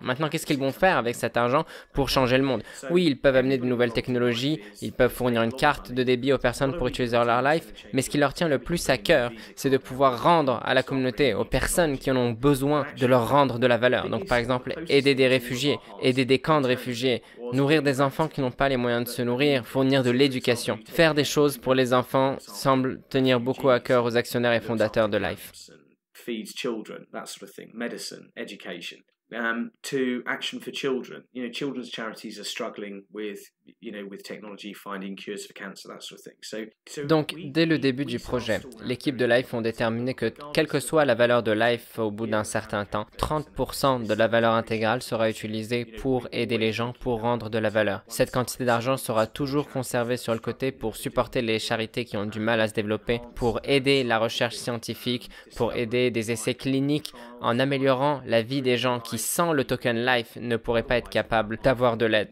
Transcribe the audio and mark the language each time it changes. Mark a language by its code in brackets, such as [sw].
[fr] Maintenant, qu'est-ce qu'ils vont faire avec cet argent pour changer le monde? Oui, ils peuvent amener de nouvelles technologies, ils peuvent fournir une carte de débit aux personnes pour utiliser leur Life, mais ce qui leur tient le plus à cœur, c'est de pouvoir rendre à la communauté, aux personnes qui en ont besoin, de leur rendre de la valeur. Donc, par exemple, aider des réfugiés, aider des camps de réfugiés, nourrir des enfants qui n'ont pas les moyens de se nourrir, fournir de l'éducation. Faire des choses pour les enfants semble tenir beaucoup à cœur aux actionnaires et fondateurs de Life. [en] Feeds children, that sort of thing, medicine, education. To Action for Children, you know, children's charities are struggling with, you know, with technology, finding cures for cancer, that sort of thing. [fr] Donc, dès le début du projet, l'équipe de Life ont déterminé que, quelle que soit la valeur de Life au bout d'un certain temps, 30% de la valeur intégrale sera utilisée pour aider les gens, pour rendre de la valeur. Cette quantité d'argent sera toujours conservée sur le côté pour supporter les charités qui ont du mal à se développer, pour aider la recherche scientifique, pour aider des essais cliniques, en améliorant la vie des gens qui, sans le token Life, ne pourraient pas être capables d'avoir de l'aide.